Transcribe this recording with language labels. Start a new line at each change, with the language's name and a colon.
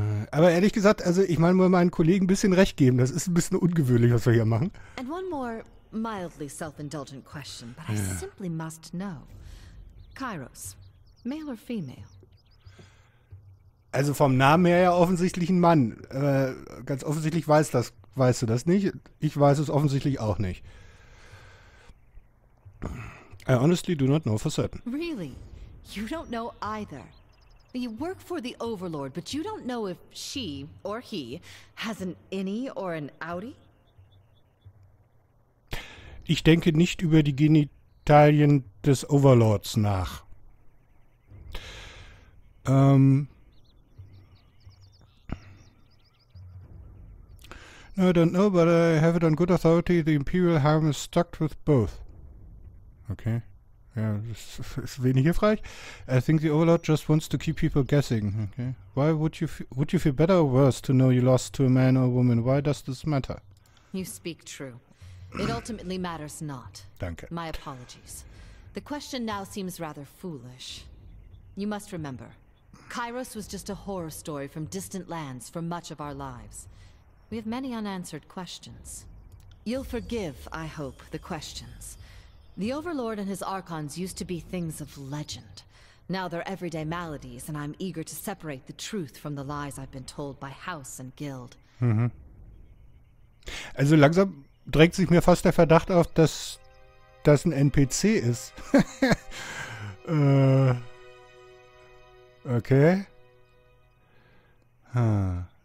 German: Aber ehrlich gesagt, also ich meine, mal meinen Kollegen ein bisschen recht geben. Das ist ein bisschen ungewöhnlich, was wir hier machen.
English: And one more mildly self-indulgent question, but I simply must know. Kairos, male or female?
German: Also vom Namen her ja offensichtlich ein Mann. Ganz offensichtlich weiß das. Weißt du das nicht? Ich weiß es offensichtlich auch nicht.
English: I honestly do not know for certain. Really? You don't know either. You work for the Overlord, but you don't know if she or he has an innie or an outie?
German: Ich denke nicht über die Genitalien des Overlords nach.
English: No, I don't know, but I have it on good authority. The Imperial Harem is stuck with both. Okay. Yeah,
German: das ist wenig hilfreich.
English: I think the Overlord just wants to keep people guessing. Okay. Why would you feel better or worse to know you lost to a man or a woman? Why does this matter? You speak true. It ultimately matters not.
German: Danke.
English: My apologies. The question now seems rather foolish. You must remember, Kairos was just a horror story from distant lands for much of our lives. We have many unanswered questions. You'll forgive, I hope, the questions. The Overlord and his Archons used to be things of legend. Now they're everyday maladies, and I'm eager to separate the truth from the lies I've been told by House and Guild. Mhm.
German: Also langsam drängt sich mir fast der Verdacht auf, dass das ein NPC ist. okay. Huh.